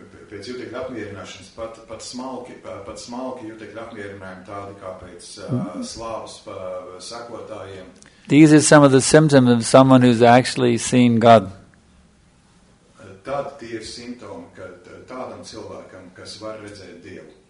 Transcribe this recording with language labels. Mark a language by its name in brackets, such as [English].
[Latvian] Pēc jūtīgu apmierināšanu pat smalki, pat smalki jūtek apmierinājumi tādi kā pēc slāvas pa sekotājiem. [English] These are some of the symptoms of someone who's actually seen God. [Latvian] Tad tie ir simptomi, kad tādam cilvēkam, kas var redzēt Dievu.